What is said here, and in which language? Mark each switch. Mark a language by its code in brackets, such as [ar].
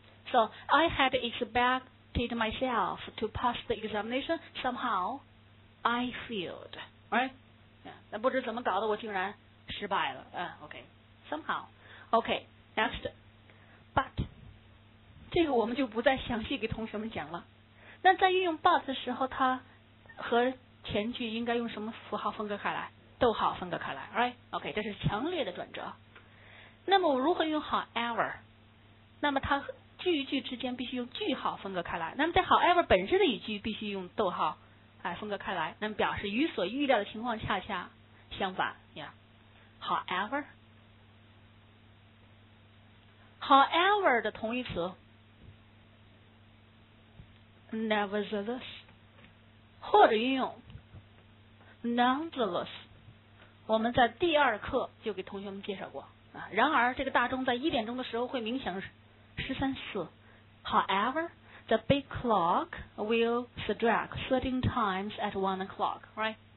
[en] So I had expected myself to pass the examination. Somehow, I failed. Right？ Yeah。 [zh] 那不知怎么搞的，我竟然失败了。 [en] Okay。 Somehow. Okay. Next. [zh] But， 这个我们就不再详细给同学们讲了。那在运用 but 的时候，它和前句应该用什么符号分割开来？逗号分割开来 ， right？ OK，这是强烈的转折。那么我如何用 however？那么它句与句之间必须用句号分割开来。那么在 however 本身的语句必须用逗号来分割开来，那么表示与所预料的情况恰恰相反 ，yeah。 However 的同义词 nevertheless， 或者运用。 Nonetheless， 我们在第二课就给同学们介绍过啊。然而，这个大钟在一点钟的时候会鸣响13次。 [en] However， the big clock will strike 13 times at 1 o'clock， right？